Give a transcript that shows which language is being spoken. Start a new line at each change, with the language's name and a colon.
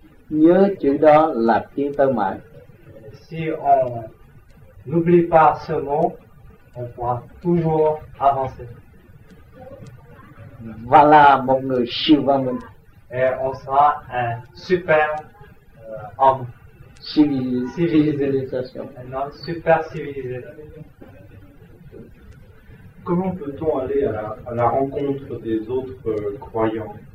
Vietnamese: Nhớ chữ đó là tiến tới mãi.
French: Si on n'oublie pas ce mot, on pourra toujours avancer.
Vietnamese: Voilà một người siêu văn minh.
French: Et on sera un super homme. Civilisation. Un homme super civilisé. Comment peut-on aller à la rencontre des autres croyants?